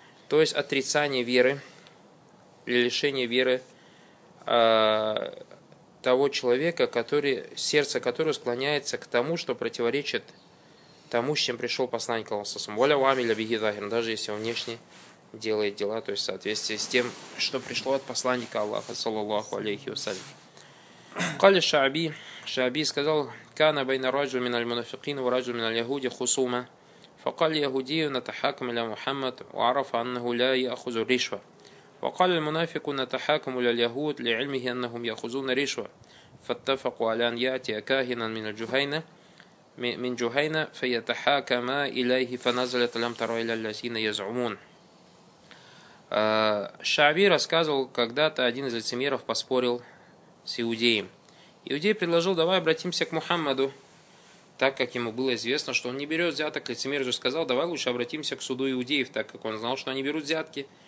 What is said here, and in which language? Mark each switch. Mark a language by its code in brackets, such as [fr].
[ru] То есть отрицание веры или лишение веры того человека, который, сердце которого склоняется к тому, что противоречит тому, с чем пришел посланник Аллаха Субхана ва Таала, даже если он внешне делает дела, то есть в соответствии с тем, что пришло от посланника Аллаха, саллаллаху алейхи ва саллям. [ar] Кали Шааби, Шааби сказал, «Кана байна раджу мин аль-мунафикин ва раджу мин аль-яхуди хусума, факали яхудию натахакам ля Мухаммад, ва арафа аннаху ля яхузу ришва». وقال المنافق نتحاكم إلى اليهود لعلمه أنهم يأخذون رشوة فاتفقوا على أن يأتي كاهنا من الجهينة من جهينة فيتحاكما إليه فنزلت لم تروا إلى الذين يزعمون. [ru] Шааби рассказывал, когда-то один из лицемеров поспорил с иудеем. Иудей предложил, давай обратимся к Мухаммаду, так как ему было известно, что он не берет взяток. Лицемер же сказал, давай лучше обратимся к суду иудеев, так как он знал, что они берут взятки.